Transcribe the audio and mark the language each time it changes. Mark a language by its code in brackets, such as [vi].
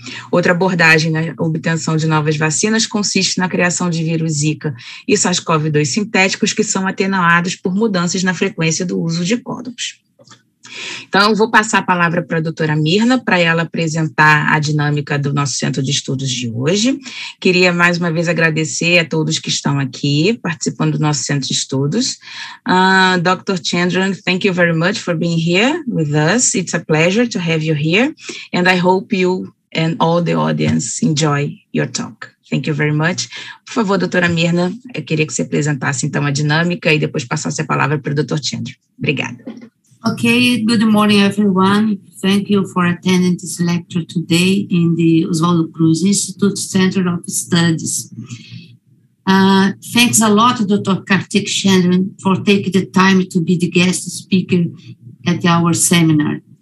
[pt] Outra abordagem na obtenção de novas vacinas consiste na criação de vírus Zika e SARS-CoV-2 sintéticos que são atenuados por mudanças na frequência do uso de códons. Então, eu vou passar a palavra para a doutora Mirna, para ela apresentar a dinâmica do nosso centro de estudos de hoje. Queria mais uma vez agradecer a todos que estão aqui participando do nosso centro de estudos. [en] Dr. Chandran, thank you very much for being here with us. It's a pleasure to have you here, and I hope you and all the audience enjoy your talk. Thank you very much. [pt] Por favor, doutora Mirna, eu queria que você apresentasse então a dinâmica e depois passasse a palavra para o Dr. Chandran. Obrigada. [en] Okay, good morning, everyone. Thank you for attending this lecture today in the Oswaldo Cruz Institute Center of Studies. Thanks a lot, Dr. Kartik Chandran, for taking the time to be the guest speaker at our seminar.